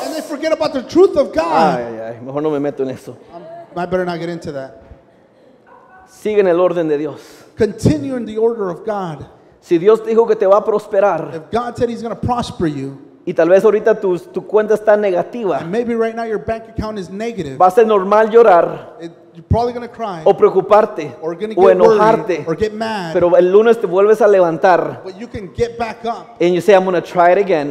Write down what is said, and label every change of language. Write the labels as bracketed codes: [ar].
[en] And they forget about the truth of God. [es] Ay, mejor no me meto en eso. [en] I better not get into that. [es] Sigue en el orden de Dios. [en] Continue in the order of God. [es] Si Dios dijo que te va a prosperar, [en] if God said he's going to prosper you, [es] y tal vez ahorita tu cuenta está negativa, [en] and maybe right now your bank account is negative, [es] va a ser normal llorar, [en] you're probably going to cry, [es] o preocuparte, [en] or going to get [es] o enojarte, [en] worried, or get mad, [es] pero el lunes te vuelves a levantar, [en] but you can get back up, and you say I'm going to try it again,